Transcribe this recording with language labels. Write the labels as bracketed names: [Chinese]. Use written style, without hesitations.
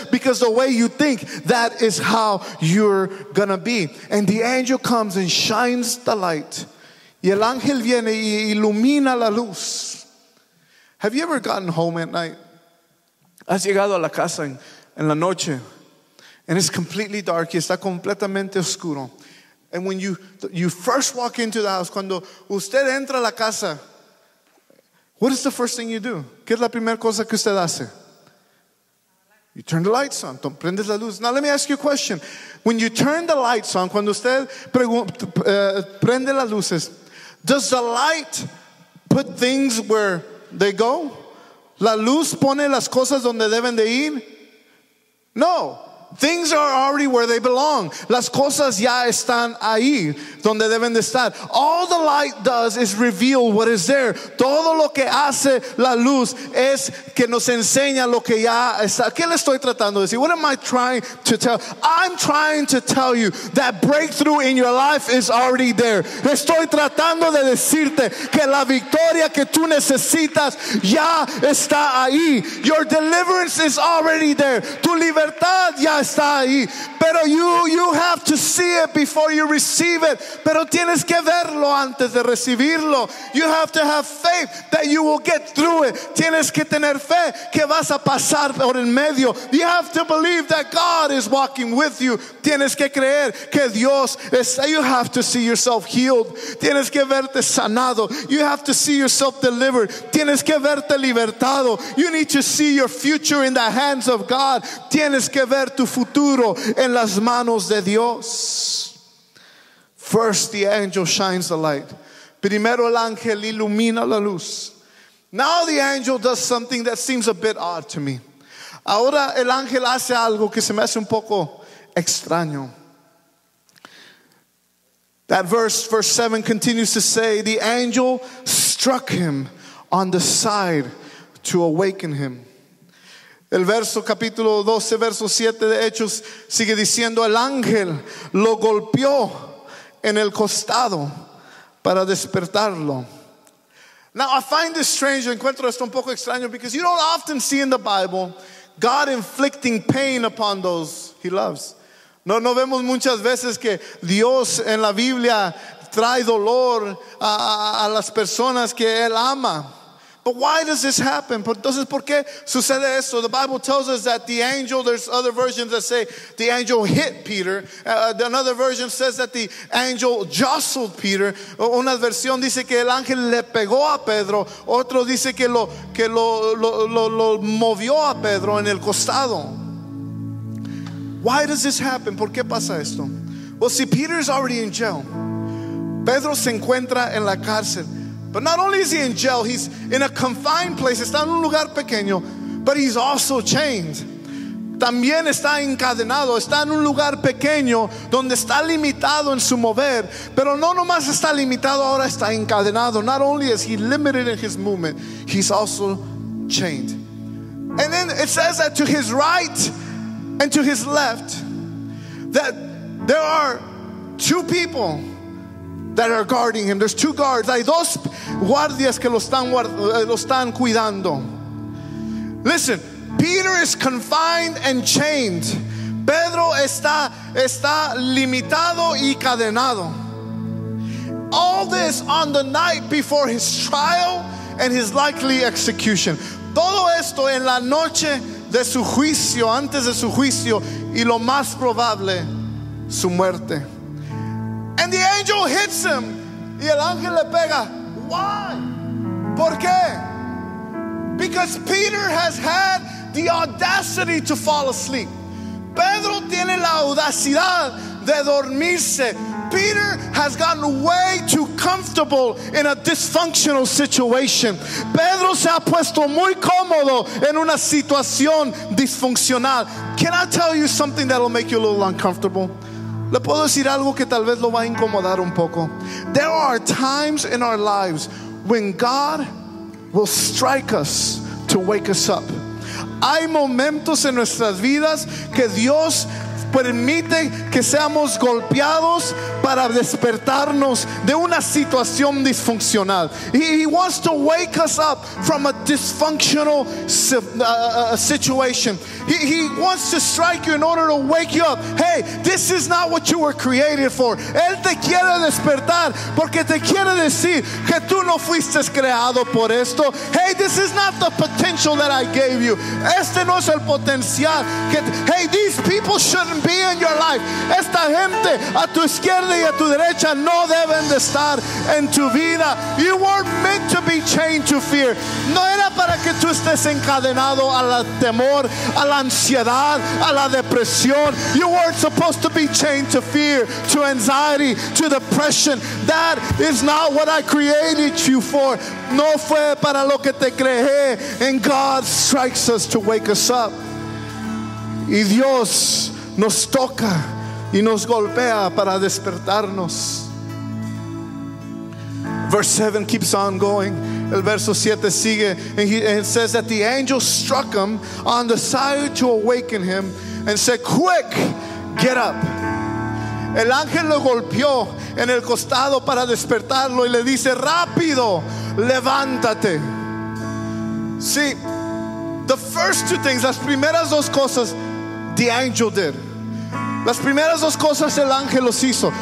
[English] Because the way you think, that is how you're gonna be. And the angel comes and shines the light. [Spanish] Y el ángel viene y ilumina la luz. [English] Have you ever gotten home at night? [Spanish] Has llegado a la casa en la noche. [English] And it's completely dark. [Spanish] Y está completamente oscuro. [English] And when you first walk into the house, [Spanish] cuando usted entra a la casa, [English] what is the first thing you do? [Spanish] ¿Qué es la primera cosa que usted hace? [English] You turn the lights on. [Spanish] Prendes la luz. [English] Now let me ask you a question. When you turn the lights on, [Spanish] cuando usted prende las luces, [English] does the light put things where they go? [Spanish] ¿La luz pone las cosas donde deben de ir? No. [English] Things are already where they belong. [Spanish] Las cosas ya están ahí donde deben de estar. [English] All the light does is reveal what is there. [Spanish] Todo lo que hace la luz es que nos enseña lo que ya está. ¿Qué le estoy tratando de decir? [English] What am I trying to tell? I'm trying to tell you that breakthrough in your life is already there. [Spanish] Estoy tratando de decirte que la victoria que tú necesitas ya está ahí. [English] Your deliverance is already there. [Spanish] Tu liberación libertad ya está ahí. [English] Pero you have to see it before you receive it. [Spanish] Pero tienes que verlo antes de recibirlo. [English] You have to have faith that you will get through it. [Spanish] Tienes que tener fe que vas a pasar por el medio. [English] You have to believe that God is walking with you. [Spanish] Tienes que creer que Dios está. [English] You have to see yourself healed. [Spanish] Tienes que verte sanado. [English] You have to see yourself delivered. [Spanish] Tienes que verte libertado. [English] You need to see your future in the hands of God. [Spanish] Tienes que ver tu futuro en las manos de Dios. [English] First, the angel shines the light. [Spanish] Primero el ángel ilumina la luz. [English] Now the angel does something that seems a bit odd to me. [Spanish] Ahora el ángel hace algo que se me hace un poco extraño. [English] That verse 7 continues to say, the angel struck him on the side to awaken him. [Spanish] El verso capítulo 12, verso 7 de Hechos sigue diciendo, el ángel lo golpeó en el costado para despertarlo. [English] Now I find this strange, [Spanish] encuentro esto un poco extraño, [English] because you don't often see in the Bible God inflicting pain upon those he loves. [Spanish] No vemos muchas veces que Dios en la Biblia trae dolor a las personas que Él ama. [English] But why does this happen? [Spanish] Entonces, ¿por qué sucede esto? [English] The Bible tells us that the angel, there's other versions that say the angel hit Peter. Another version says that the angel jostled Peter. [Spanish] Una versión dice que el ángel le pegó a Pedro. Otro dice que lo movió a Pedro en el costado. [English] Why does this happen? [Spanish] ¿Por qué pasa esto? [English] Well, see, Peter is already in jail. [Spanish] Pedro se encuentra en la cárcel. [English] But not only is he in jail, he's in a confined place. [Spanish] Está en un lugar pequeño, [English] but he's also chained. [Spanish] También está encadenado. Está en un lugar pequeño donde está limitado en su mover. Pero no nomás está limitado, ahora está encadenado. [English] Not only is he limited in his movement, he's also chained. And then it says that to his right and to his left, that there are two people that are guarding him. There's two guards. [Spanish] Hay dos guardias que lo están cuidando. [English] Listen, Peter is confined and chained. [Spanish] Pedro está limitado y cadenado. [English] All this on the night before his trial and his likely execution. [Spanish] Todo esto en la noche de su juicio, antes de su juicio, y lo más probable, su muerte. [English] And the angel hits him. [Spanish] Y el ángel le pega. [English] Why? [Spanish] ¿Por qué? [English] Because Peter has had the audacity to fall asleep. [Spanish] Pedro tiene la audacidad de dormirse. [English] Peter has gotten way too comfortable in a dysfunctional situation. [Spanish] Pedro se ha puesto muy cómodo en una situación disfuncional. [English] Can I tell you something that will make you a little uncomfortable? [Spanish] Le puedo decir algo que tal vez lo va a incomodar un poco. [English] There are times in our lives when God will strike us to wake us up. [Spanish] Hay momentos en nuestras vidas que Dios permite que seamos golpeados para despertarnos de una situación disfuncional. [English] He wants to wake us up from a dysfunctional situation. He wants to strike you in order to wake you up. Hey, this is not what you were created for. [Spanish] Él te quiere despertar porque te quiere decir que tú no fuiste creado por esto. [English] Hey, this is not the potential that I gave you. [Spanish] Este no es el potencial. [English] Hey, these people shouldn't be in your life. [Spanish] Esta gente a tu izquierda y a tu derecha no deben de estar en tu vida. [English] You weren't meant to be chained to fear. [Spanish] No era para que tú estés encadenado al temor, a la ansiedad, a la depresión. [English] You weren't supposed to be chained to fear, to anxiety, to depression. That is not what I created you for. [Spanish] No fue para lo que te creé. [English] And God strikes us to wake us up. [Spanish] Y Dios nos toca y nos golpea para despertarnos. [English] Verse 7 keeps on going. [Spanish] El verso 7 sigue. [English] And it says that the angel struck him on the side to awaken him and said, quick, get up. [Spanish] El ángel lo golpeó en el costado para despertarlo y le dice, rápido, levántate. [English] See, the first two things, [Spanish] las primeras dos cosas, [English] the angel did. [Spanish] Las primeras dos cosas el ángel los hizo.